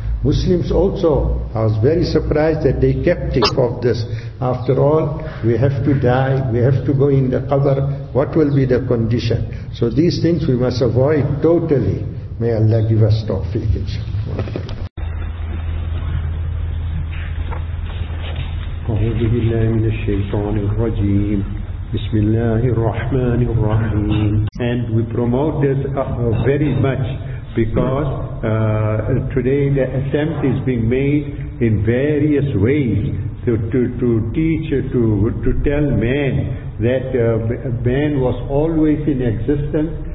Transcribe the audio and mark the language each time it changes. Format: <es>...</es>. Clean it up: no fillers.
<en>Muslims also, I was very surprised that they kept it of this. After all, we have to die, we have to go in the qabr, what will be the condition? So these things we must avoid totally. May Allah give us tawfiq.</en> <ar>أعوذ بالله من الشيطان الرجيم بسم الله الرحمن الرحيم.</ar> <en>And we promote this very much because today the attempt is being made in various ways to teach, to tell man that man was always in existence.</en>